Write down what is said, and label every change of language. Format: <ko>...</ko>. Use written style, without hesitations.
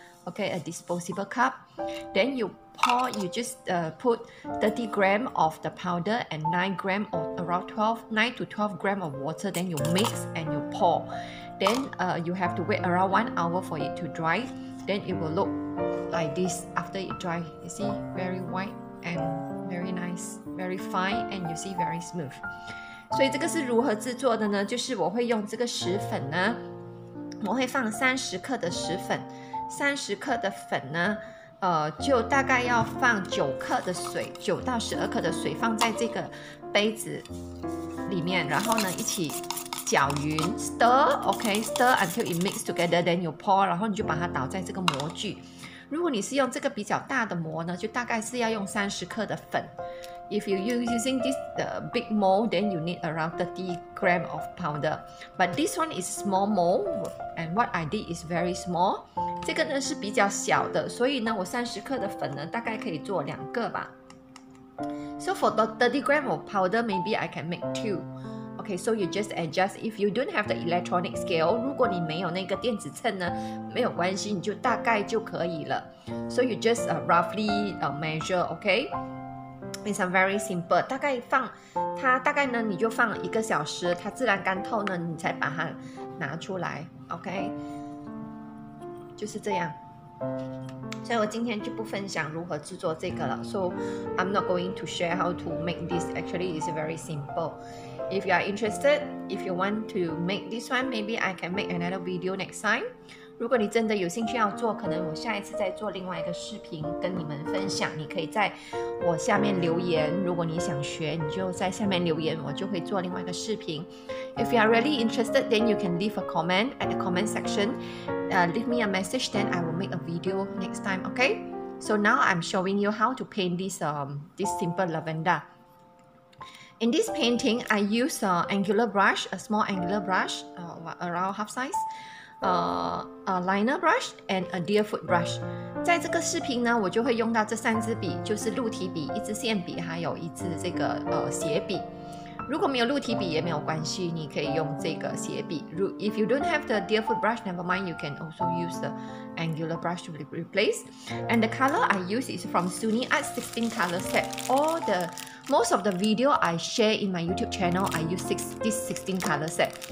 <en>Okay, a disposable cup. Then you pour, you just put 30 grams of the powder and 9 grams of around 12, 9 to 12 grams of water. Then you mix and you pour. Then you have to wait around 1 hour for it to dry. Then it will look like this after it dry. You see, very white and very nice, very fine, and you see, very smooth.</en> <zh>所以这个是如何制作的呢？就是我会用这个石粉呢，我会放30克的石粉。 30克的粉呢，就大概要放9克的水，9到12克的水放在这个杯子里面，然后呢一起搅匀</zh> <en>stir until it mix together, then you pour,</en> <zh>然后你就把它倒在这个模具。如果你是用这个比较大的模呢，就大概是要用30克的粉。</zh> <en>If you're using this big mold, then you need around 30 grams of powder. But this one is small mold, and what I did is very small.</en> <zh>这个呢是比较小的，所以呢我30克的粉呢大概可以做两个吧。</zh> <en>So for the 30 grams of powder, maybe I can make 2. Okay, so you just adjust. If you don't have the electronic scale,</en> <zh>如果你没有那个电子秤呢，没有关系，你就大概就可以了。</zh> <en>So you just roughly measure, okay? It's a very simple.</en> <zh>大概放它，大概呢，你就放一个小时，它自然干透呢，你才把它拿出来。 OK， 就是这样。所以我今天就不分享如何制作这个了。</zh> <en>So I'm not going to share how to make this. Actually, it's very simple. If you are interested, if you want to make this one, maybe I can make another video next time.</en> <zh>如果你真的有兴趣要做，可能我下一次再做另外一个视频跟你们分享。你可以在我下面留言，如果你想学，你就在下面留言，我就会做另外一个视频。</zh> <en>If you are really interested, then you can leave a comment at the comment section. Leave me a message, then I will make a video next time, okay? So now I'm showing you how to paint this, this simple lavender. In this painting, I use an angular brush, a small angular brush, around half size. A liner brush and a deer foot brush.</en> <zh>在这个视频呢，我就会用到这三支笔，就是鹿蹄笔、一支线笔，还有一支这个斜笔。如果没有鹿蹄笔也没有关系，你可以用这个斜笔。</zh> <en>If you don't have the deer foot brush, never mind, you can also use the angular brush to replace. And the color I use is from Suni Art 16 color set. Most of the video I share in my YouTube channel, I use this 16 color set.</en>